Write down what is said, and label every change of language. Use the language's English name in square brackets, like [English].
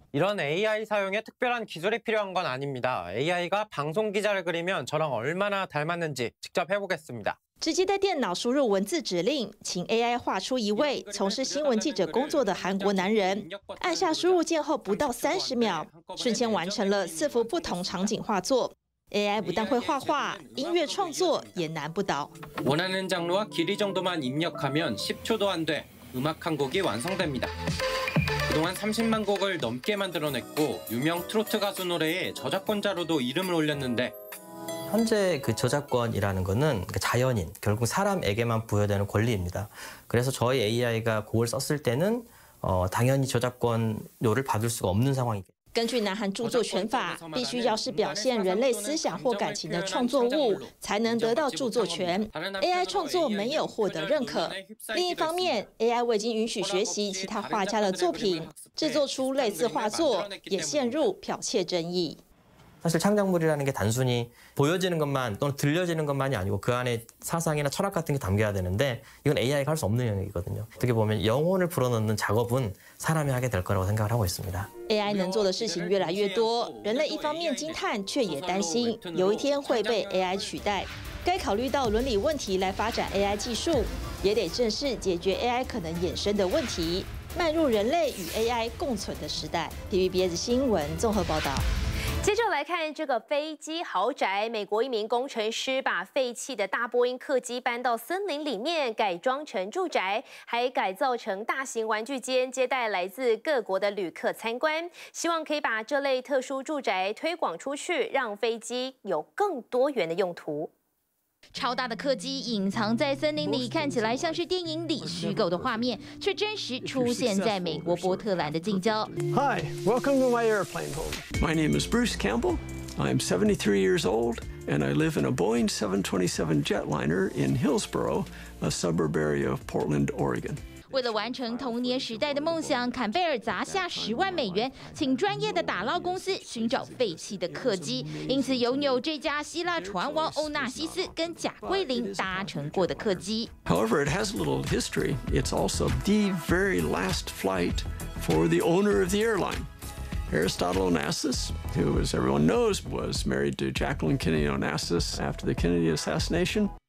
[Korean] 이런 AI 사용에특별한기술이필요한건아닙니다 AI 가방송기자를그리면저랑얼마나닮았는지직접해보겠습니다 [Chinese] 直接在电脑输入文字指令，请 AI 画出一位从事新闻记者工作的韩国男人。按下输入键后不到30秒，瞬间完成了4幅不同场景画作。 AI 不但会画画，音乐创作也难不倒。 [Korean] 원하는장르와길이정도만입력하면10초도안돼음악한곡이완성됩니다그동안300,000곡을넘게만들어냈고유명트로트가수노래에저작권자로도이름을올렸는데 현재그저작권이라는것은자연인결국사람에게만부여되는권리입니다그래서저희 AI 가곡을썼을때는당연히저작권료를받을수가없는상황입니다 [Chinese] 根据南韩著作权法，必须要是表现人类思想或感情的创作物，才能得到著作权。 AI 创作没有获得认可。另一方面 ，AI 未经允许学习其他画家的作品，制作出类似画作，也陷入剽窃争议。 [Korean] 사실창작물이라는게단순히보여지는것만또는들려지는것만이아니고그안에사상이나철학같은게담겨야되는데이건 AI가 할 수 없는 영역이거든요어떻게 보면 영혼을 불어넣는 작업은 사람이 하게 될 거라고 생각을 하고 있습니다 [Chinese] AI 能做的事情越来越多，人类一方面惊叹，却也担心有一天会被 AI 取代。该考虑到伦理问题来发展 AI 技术，也得正视解决 AI 可能衍生的问题，迈入人类与 AI 共存的时代。 TVBS 新闻综合报道。接着来看这个飞机豪宅，美国一名工程师把废弃的大波音客机搬到森林里面改装成住宅，还改造成大型玩具间，接待来自各国的旅客参观，希望可以把这类特殊住宅推广出去，让飞机有更多元的用途。超大的客机隐藏在森林里，看起来像是电影里虚构的画面，却真实出现在美国波特兰的近郊。 [English] Hi, welcome to my airplane home. My name is Bruce Campbell. I'm 73 years old, and I live in a Boeing 727 jetliner in Hillsboro, a suburb area of Portland, Oregon. [Chinese] 为了完成童年时代的梦想，坎贝尔砸下10万美元，请专业的打捞公司寻找废弃的客机。因此，拥有这架希腊船王欧纳西斯跟贾桂林搭乘过的客机。 [English] However, it has a little history. It's also the very last flight for the owner of the airline, Aristotle Onassis, who, as everyone knows, was married to Jacqueline Kennedy Onassis after the Kennedy assassination.